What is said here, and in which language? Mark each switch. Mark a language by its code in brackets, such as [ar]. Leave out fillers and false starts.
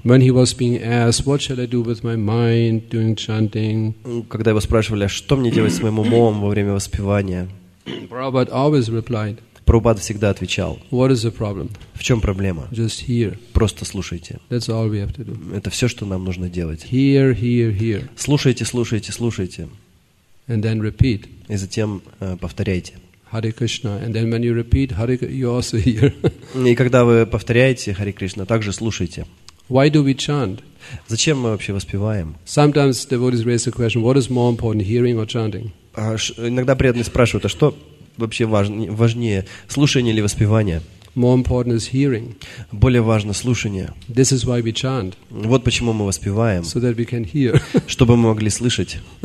[en] When he was being asked, what shall I do with my mind doing chanting? [ru] Когда его спрашивали, что мне делать с моим умом во время воспевания? [en] Prabhupada always replied. [ru] Прабхупада всегда отвечал. [en] What is the problem? [ru] В чем проблема? [en] Just hear. [ru] Просто слушайте. [en] That's all we have to do. [ru] Это все, что нам нужно делать. [en] Hear, hear, hear. [ru] Слушайте, слушайте, слушайте. [en] And then repeat. [ru] И затем повторяйте. [en] Hare Krishna, and then when you repeat Hare, you also hear. [ru] И когда вы повторяете Hare Krishna, также слушайте. [en] Why do we chant? [ru] Зачем мы вообще воспеваем? [en] Sometimes devotees raise the question, what is more important, hearing or chanting? [ru] Иногда преданные спрашивают, а что вообще важнее, слушание или воспевание? [en] More important is hearing. [ru] Более важно слушание. [en] This is why we chant. [ru] Вот почему мы воспеваем. [en] So that we can hear. [ru] Чтобы мы могли слышать.